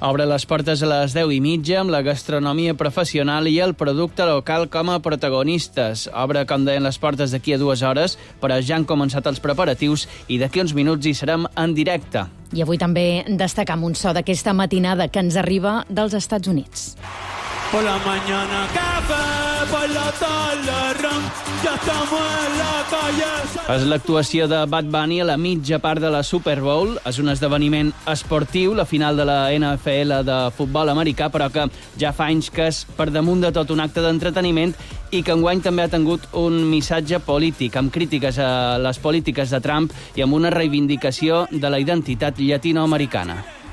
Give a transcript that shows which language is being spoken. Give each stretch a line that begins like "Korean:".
Catalan: Obre les portes a les 10:30 amb la gastronomia professional i el producte local com a protagonistes. Obre, com deien, les portes d'aquí a 2 hores, però ja han començat els preparatius i d'aquí uns minuts hi serem en directe. I avui també destacam un so d'aquesta matinada que ens arriba dels Estats Units.
Spanish: Por la mañana café, por la tarde rum, ya estamos en la calle.
Catalan: És l'actuació de Bad Bunny a la mitja part de la Super Bowl. És un esdeveniment esportiu, la final de la NFL de futbol americà, però que ja fa anys que és per damunt de tot un acte d'entreteniment i que enguany també ha tingut un missatge polític, amb crítiques a les polítiques de Trump i amb una reivindicació de la identitat llatinoamericana.